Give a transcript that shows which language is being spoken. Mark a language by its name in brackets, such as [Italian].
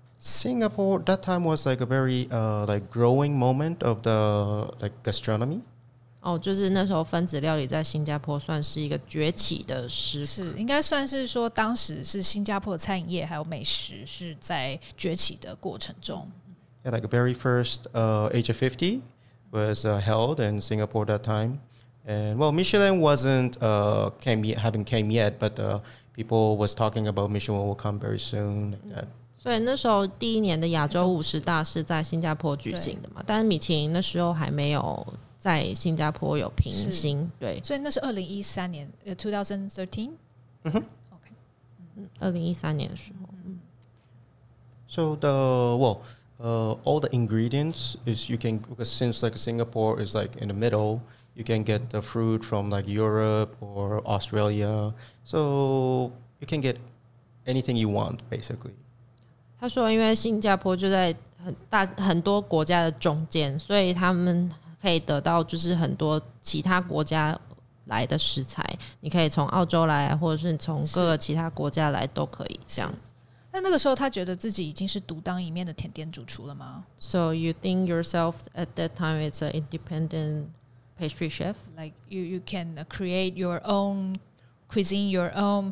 [English] Singapore, that time was like a very growing moment of the like gastronomy. [Chinese] Oh, 就是那时候分子料理在新加坡算是一个崛起的时刻。是，应该算是说当时是新加坡餐饮业还有美食是在崛起的过程中。 [English] Yeah, like a very first age of 50 was held in Singapore that time. And well, Michelin wasn't, haven't came yet, but people was talking about Michelin will come very soon like that. [Chinese] 所以那时候第一年的亚洲五十大是在新加坡举行的嘛，但是米其林那时候还没有在新加坡有评星，对，所以那是2013年 2013? 嗯哼 OK 2013年的时候、 [English] So the well all the ingredients is you can because since like Singapore is like in the middle you can get the fruit from like Europe or Australia so you can get anything you want basically [Chinese] 他说因为新加坡就在 很多国家的中间所以他们可以得到就是很多其他国家来的食材你可以从澳洲来或者是从各个其他国家来都可以这样那那个时候他觉得自己已经是独当一面的甜点主厨了吗 [English] So you think yourself at that time it's an independent pastry chef? Like you can create your own cuisine your own